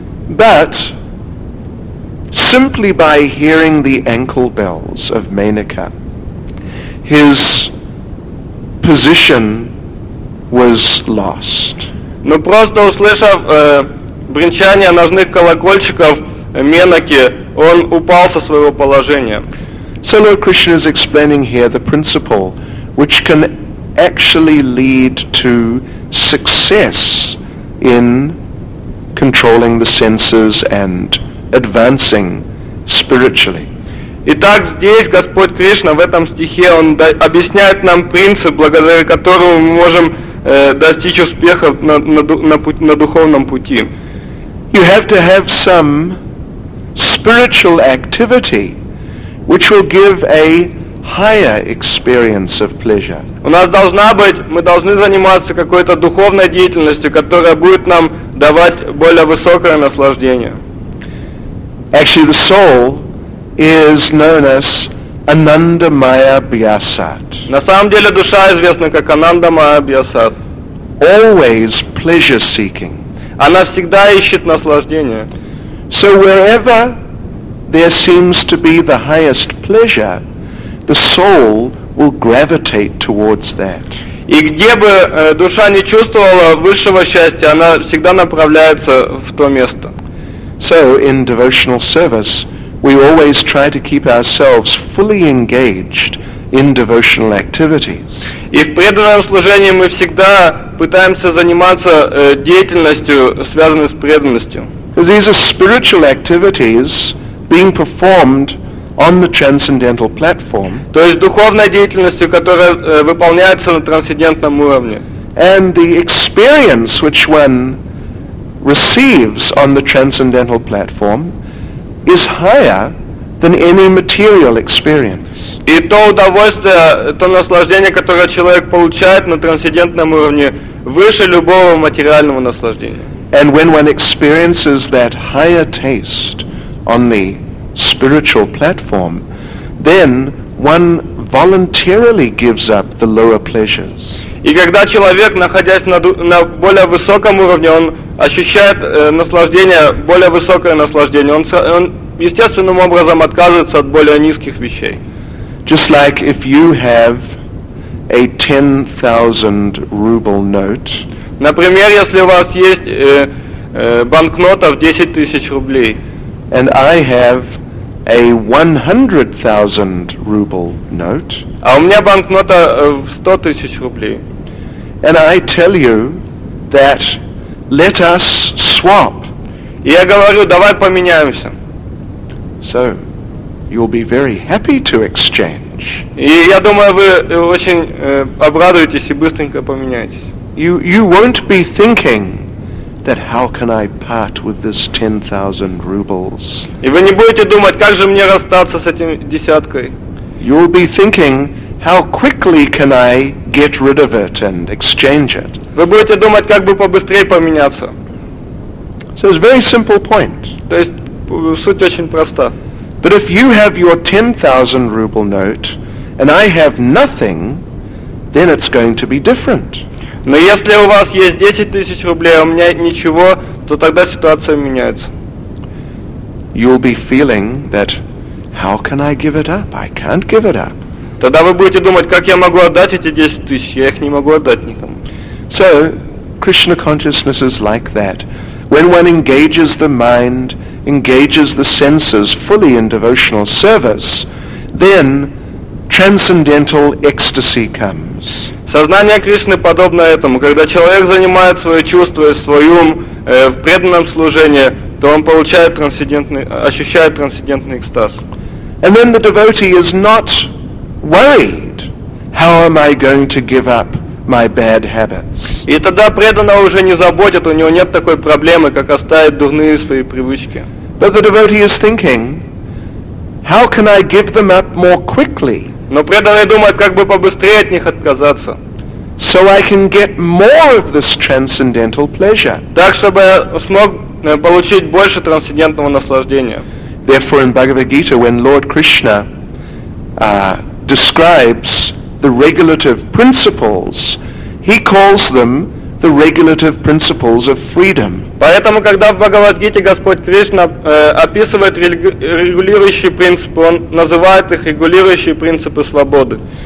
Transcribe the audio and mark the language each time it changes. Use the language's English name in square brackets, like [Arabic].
[English] But simply by hearing the ankle bells of Menaka, his position was lost. [Russian] Но просто услышав бренчание ножных колокольчиков Менаки, он упал со своего положения. [English] So Lord Krishna is explaining here the principle which can actually lead to success in controlling the senses and advancing spiritually. [Russian] Итак, здесь Господь Кришна в этом стихе он объясняет нам принцип, благодаря которому мы можем достичь успеха на духовном пути. [English] You have to have some spiritual activity which will give a higher experience of pleasure. [Russian] У нас должна быть, мы должны заниматься какой-то духовной деятельностью, которая будет нам давать более высокое наслаждение. [English] Actually, the soul is known as Anandamaya Vyasat. [Russian] На самом деле душа известна как Анандамая Вьясат. [English] Always pleasure seeking. [Russian] Она всегда ищет наслаждение. [English] So wherever there seems to be the highest pleasure, the soul will gravitate towards that. [Russian] И где бы душа не чувствовала высшего счастья, она всегда направляется в то место. [English] So in devotional service, we always try to keep ourselves fully engaged in devotional activities. [Russian] И в преданном служении мы всегда пытаемся заниматься деятельностью, связанной с преданностью. [English] These are spiritual activities being performed on the transcendental platform. [Russian] То есть духовной деятельностью, которая выполняется на трансцендентном уровне. [English] And the experience which one receives on the transcendental platform is higher than any material experience. [Russian] И то удовольствие, то наслаждение, которое человек получает на трансцендентном уровне, выше любого материального наслаждения. [English] And when one experiences that higher taste on the spiritual platform, then one voluntarily gives up the lower pleasures. [Russian] И когда человек, находясь на более высоком уровне, он ощущает наслаждение, более высокое наслаждение, он естественным образом отказывается от более низких вещей. [English] Just like if you have a 10,000 ruble note. [Russian] Например, если у вас есть банкнота в 10 тысяч рублей. [English] And I have a 100,000 ruble note. [Russian] А у меня банкнота в 100 тысяч рублей. [English] And I tell you that let us swap. [Russian] Я говорю, давай поменяемся. [English] So, you'll be very happy to exchange. [Russian] И я думаю, вы очень обрадуетесь и быстренько поменяетесь. [English] You won't be thinking that how can I part with this 10,000 rubles. [Russian] И вы не будете думать, как же мне расстаться с этим десяткой. [English] You'll be thinking how quickly can I get rid of it and exchange it. [Russian] Вы будете думать, как бы побыстрее поменяться. [English] So it's a very simple point. [Russian] То есть суть очень проста. [English] But if you have your 10,000 ruble note and I have nothing, then it's going to be different. [Russian] Но если у вас есть 10 тысяч рублей, а у меня ничего, то тогда ситуация меняется. [English] You'll be feeling that how can I give it up? I can't give it up. [Russian] Тогда вы будете думать, как я могу отдать эти 10 тысяч? Я их не могу отдать никому. [English] So, Krishna consciousness is like that. When one engages the mind, engages the senses fully in devotional service, then transcendental ecstasy comes. [Russian] Сознание Кришны подобно этому. Когда человек занимает свое чувство и свой ум в преданном служении, то он получает трансцендентный, ощущает трансцендентный экстаз. [English] And then the devotee is not worried, how am I going to give up my bad habits? [Russian] И тогда преданного уже не заботит, у него нет такой проблемы, как оставить дурные свои привычки. [English] But the devotee is thinking, how can I give them up more quickly? [Russian] Но преданный думает, как бы побыстрее от них отказаться. [English] So I can get more of this transcendental pleasure. [Russian] Так, чтобы я смог получить больше трансцендентного наслаждения. [English] Therefore in Bhagavad Gita, when Lord Krishna describes the regulative principles, he calls them the regulative principles of freedom. [Russian] Поэтому, когда в Бхагавад-гите Господь Кришна описывает регулирующие принципы, он называет их регулирующие принципы свободы.